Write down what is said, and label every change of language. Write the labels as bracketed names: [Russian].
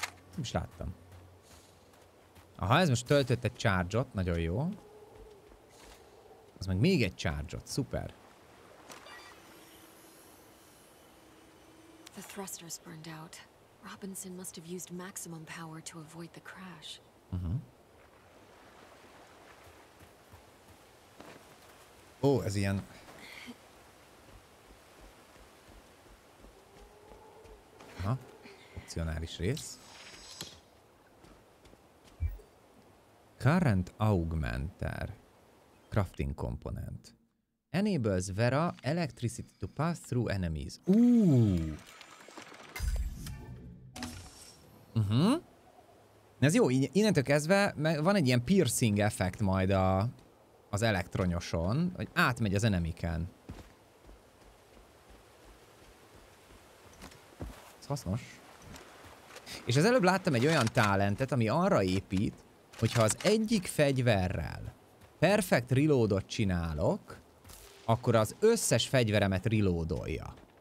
[Hungarian] Nem is láttam. Aha, ez most töltött egy charge-ot, nagyon jó. Az meg még egy charge-ot, szuper. [English] The thrusters burned out. Robinson must have used maximum power to avoid the crash. [Hungarian] Ó, ez ilyen... Aha, opcionális rész. [English] Current Augmenter. Crafting component. Enables Vera electricity to pass through enemies. [Hungarian] Ez jó, innentől kezdve van egy ilyen piercing effekt majd a... az elektronyoson, hogy átmegy az enemiken. Ez hasznos. És az előbb láttam egy olyan talentet, ami arra épít, hogyha az egyik fegyverrel perfect reloadot csinálok, akkor az összes fegyveremet reloadolja.